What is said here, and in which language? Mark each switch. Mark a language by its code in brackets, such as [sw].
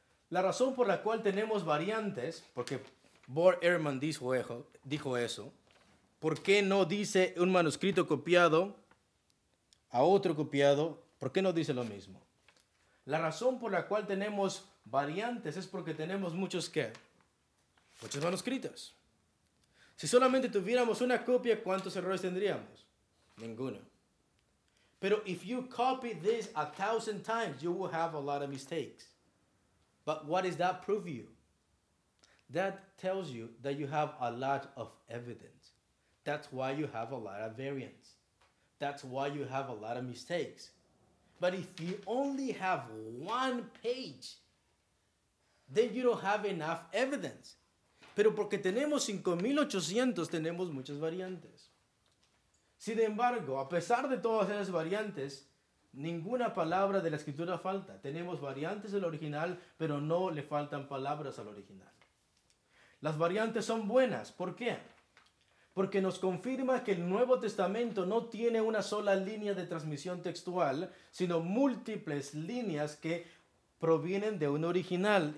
[es] La razón por la cual tenemos variantes, porque Bart Ehrman dijo eso, ¿por qué no dice un manuscrito copiado a otro copiado? ¿Por qué no dice lo mismo? La razón por la cual tenemos variantes es porque tenemos muchos ¿qué? Muchos manuscritos. Si solamente tuviéramos una copia, ¿cuántos errores tendríamos? Ninguno. [en] Pero if you copy this 1,000 times, you will have a lot of mistakes. But what does that prove you? That tells you that you have a lot of evidence. That's why you have a lot of variants. That's why you have a lot of mistakes. But if you only have one page, then you don't have enough evidence. [es] Pero porque tenemos 5,800, tenemos muchas variantes. Sin embargo, a pesar de todas esas variantes, ninguna palabra de la escritura falta. Tenemos variantes del original, pero no le faltan palabras al original. Las variantes son buenas. ¿Por qué? Porque nos confirma que el Nuevo Testamento no tiene una sola línea de transmisión textual, sino múltiples líneas que provienen de un original.